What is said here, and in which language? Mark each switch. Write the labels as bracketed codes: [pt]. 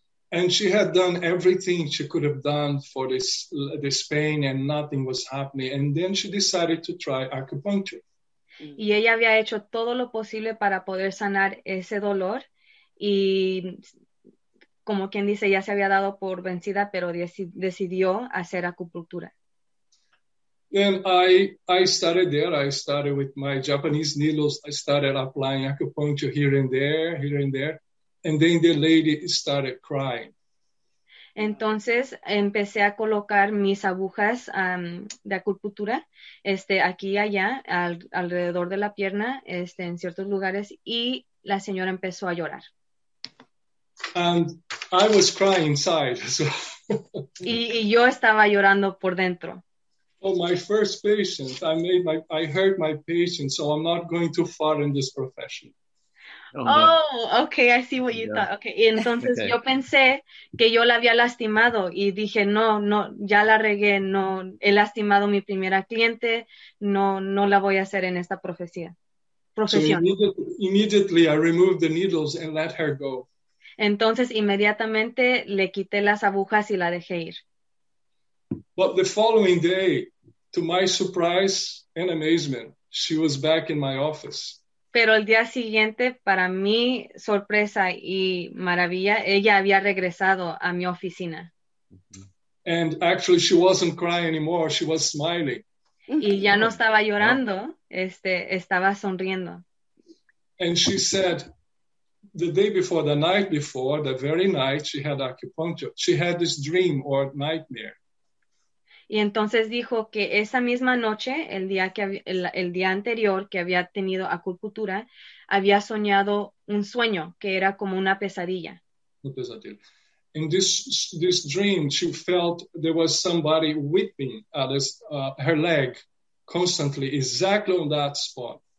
[en] And she had done everything she could have done for this pain and nothing was happening. And then she decided to try acupuncture. [es] Y ella había hecho todo lo posible para poder sanar ese dolor y como quien dice, ya se había dado por vencida, pero decidió hacer acupuntura. [en] And I started there. I started with my Japanese needles. I started applying acupuncture here and there. And then the lady started crying. [es] Entonces, empecé a colocar mis agujas de acupuntura aquí y allá, alrededor de la pierna, en ciertos lugares, y la señora empezó a llorar. [en] And I was crying inside. So. [es] y yo estaba llorando por dentro. [en] Oh, my first patient. I hurt my patient, so I'm not going too far in this profession. Oh, no. Okay. I see what you thought. Okay. [es] Y entonces okay. Yo pensé que yo la había lastimado y dije, no, ya la regué. No, he lastimado mi primera cliente. No la voy a hacer en esta profesión. [en] So immediately I removed the needles and let her go. [es] Entonces, inmediatamente le quité las agujas y la dejé ir. [en] But the following day, to my surprise and amazement, she was back in my office. [es] Pero el día siguiente, para mi sorpresa y maravilla, ella había regresado a mi oficina. [en] And actually, she wasn't crying anymore, she was smiling. [es] Y ya no estaba llorando, estaba sonriendo. [en] And she said, the day before, the night before, the very night she had acupuncture, she had this dream or nightmare. [es] Y entonces dijo que esa misma noche, el día anterior que había tenido acupuntura, había soñado un sueño que era como una pesadilla. [en] In this dream, she felt there was somebody whipping at her leg constantly, exactly on that spot.